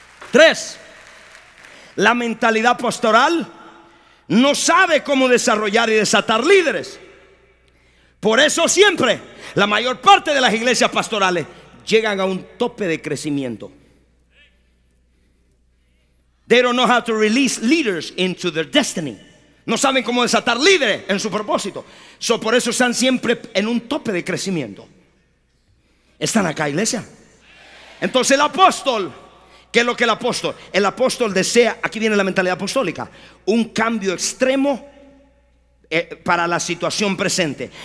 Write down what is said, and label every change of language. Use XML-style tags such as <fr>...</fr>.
<es>Tres. La mentalidad pastoral no sabe cómo desarrollar y desatar líderes. Por eso siempre la mayor parte de las iglesias pastorales llegan a un tope de crecimiento.</es> <en>They don't know how to release leaders into their destiny.</en> <es>No saben cómo desatar líderes en su propósito. So por eso están siempre en un tope de crecimiento. ¿Están acá, iglesia? Entonces el apóstol, ¿qué es lo que el apóstol? El apóstol desea, aquí viene la mentalidad apostólica, un cambio extremo para la situación presente.</es>